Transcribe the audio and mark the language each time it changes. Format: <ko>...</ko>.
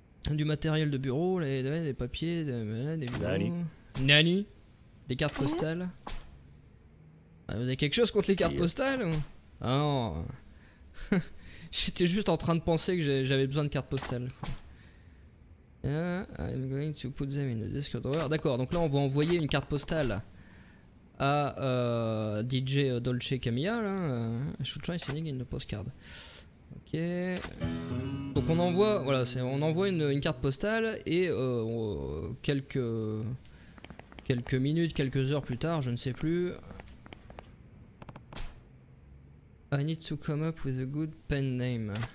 <fr>Du matériel de bureau, des papiers, des bureaux. Nani. Des cartes postales. Ah, vous avez quelque chose contre les cartes postales ou... Ah non. J'étais juste en train de penser que j'avais besoin de cartes postales.</fr> <en>Ah, I'm going to put them in the desk drawer.</en> <fr>D'accord, donc là on va envoyer une carte postale à DJ Dolce Camilla. Là.</fr> <en>I should try sending in the postcard.</en> <fr>Ok. Donc on envoie, voilà, on envoie une carte postale et quelques minutes, quelques heures plus tard, je ne sais plus.</fr> <en>I need to come up with a good pen name.</en>